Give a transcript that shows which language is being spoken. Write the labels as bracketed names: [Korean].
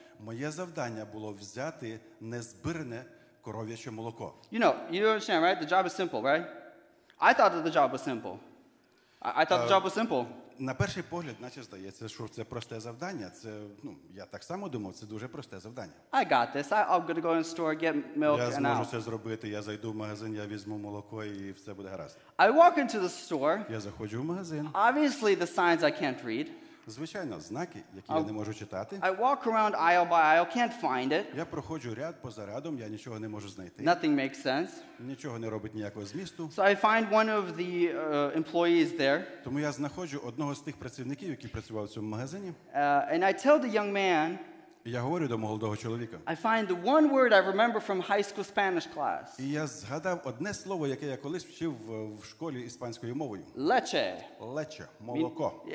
[Ukrainian] Моє завдання було взяти незбирне коров'яче молоко. [English] You know, you understand, right? The job is simple, right? I thought that the job was simple. I thought the job was simple. [Ukrainian] На перший погляд, наче здається, що це просте завдання. Це, ну, я так само думав, це дуже просте завдання. [English] I got this. I'm going to go in the store, get milk and out. [Ukrainian] Я зможу це зробити. Я зайду в магазин, я візьму молоко і все буде гаразд. [English] I walk into the store. [Ukrainian] Я заходжу в магазин. [English] Obviously, the signs I can't read. [Ukrainian] Звичайно, знаки, які я не можу читати. [English] I walk around aisle by aisle, can't find it. [Ukrainian] Я проходжу ряд поза рядом, я нічого не можу знайти. [English] Nothing makes sense. [Ukrainian] Нічого не робить ніякого змісту. [English] So I find one of the employees there. [Ukrainian] Тому я знаходжу одного з тих працівників, який працював у цьому магазині. [English] And I tell the young man. [Ukrainian] Я говорю до молодого чоловіка. [English] I find the one word I remember from high school Spanish class. [Ukrainian] І я згадав одне слово, яке я колись вчив в школі іспанською мовою. [Spanish] Leche. [Ukrainian] Leche, молоко.